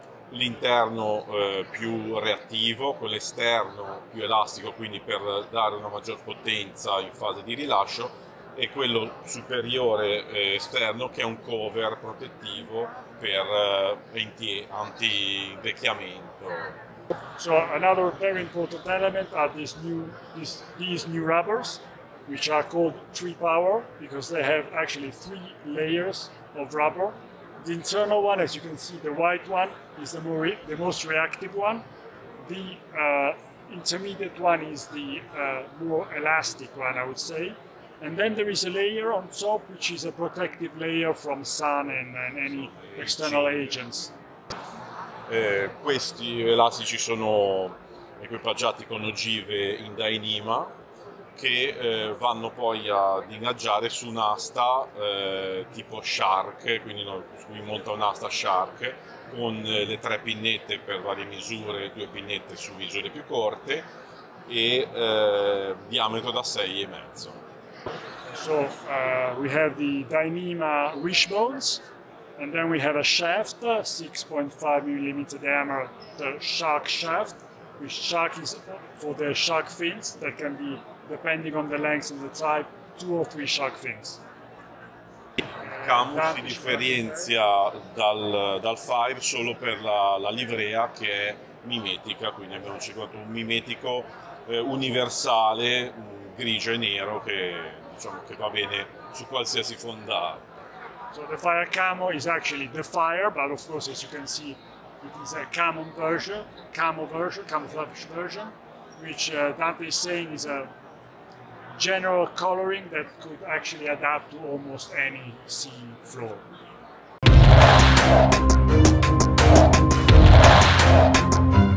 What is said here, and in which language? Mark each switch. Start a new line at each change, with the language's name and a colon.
Italian: L'interno più reattivo, quell'esterno più elastico, quindi per dare una maggior potenza in fase di rilascio, e quello superiore esterno che è un cover protettivo per anti-invecchiamento.
English: So another very important element are these new rubbers, which are called Tripower because they have actually three layers of rubber. The internal one, as you can see, the white one is the most reactive one. The intermediate one is the more elastic one, I would say. And then there is a layer on top, which is a protective layer from sun and any external agents.
Italian: Questi elastici sono equipaggiati con ogive in Dyneema, che vanno poi ad ingaggiare su un'asta tipo Shark, quindi lui monta un'asta Shark con le tre pinnette per varie misure, due pinnette su misure più corte e diametro da 6,5.
English: So we have the Dyneema wishbones and then we have a shaft, 6.5 mm diameter Shark shaft, which Shark is for the Shark fins that can be, depending on the length and the type, two or three shark fins.
Italian: Il camo si differenzia dal Fire solo per la livrea, che è mimetica, quindi abbiamo cercato un mimetico universale, grigio e nero, che diciamo che va bene su qualsiasi fondale.
English: So the Fire camo is actually the Fire, but of course, as you can see, it is a camouflage version, which Dante is saying is a general coloring that could actually adapt to almost any sea floor.